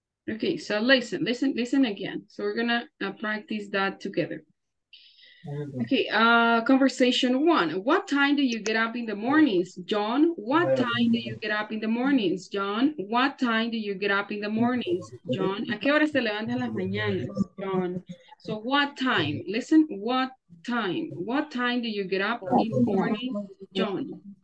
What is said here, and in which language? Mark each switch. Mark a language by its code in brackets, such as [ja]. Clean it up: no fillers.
[en] Okay, so listen again. So we're gonna practice that together. Okay, conversation 1. What time do you get up in the mornings, John? What time do you get up in the mornings, John? What time do you get up in the mornings, John? [es] ¿A qué hora se levantan las mañanas, John? [en] So what time? Listen, what time? What time do you get up in the morning, John?